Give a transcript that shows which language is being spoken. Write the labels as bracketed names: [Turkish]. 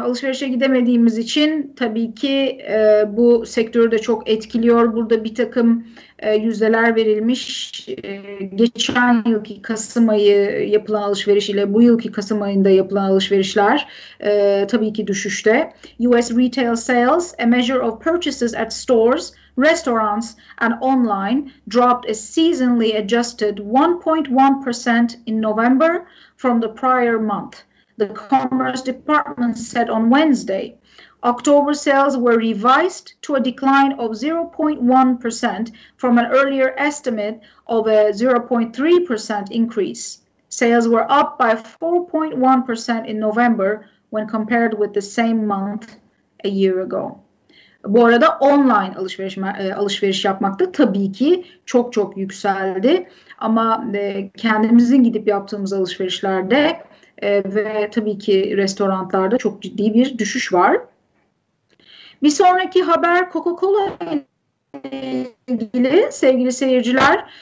[Turkish] Alışverişe gidemediğimiz için tabii ki bu sektörü de çok etkiliyor. Burada bir takım yüzdeler verilmiş. Geçen yılki Kasım ayı yapılan alışveriş ile bu yılki Kasım ayında yapılan alışverişler tabii ki düşüşte. [English] US retail sales, a measure of purchases at stores, restaurants and online, dropped a seasonally adjusted 1.1% in November from the prior month, the Commerce Department said on Wednesday. October sales were revised to a decline of 0.1% from an earlier estimate of a 0.3% increase. Sales were up by 4.1% in November when compared with the same month a year ago. [Turkish] Bu arada online alışveriş yapmak da tabii ki çok çok yükseldi. Ama kendimizin gidip yaptığımız alışverişlerde ve tabii ki restoranlarda çok ciddi bir düşüş var. Bir sonraki haber Coca-Cola ile ilgili sevgili seyirciler.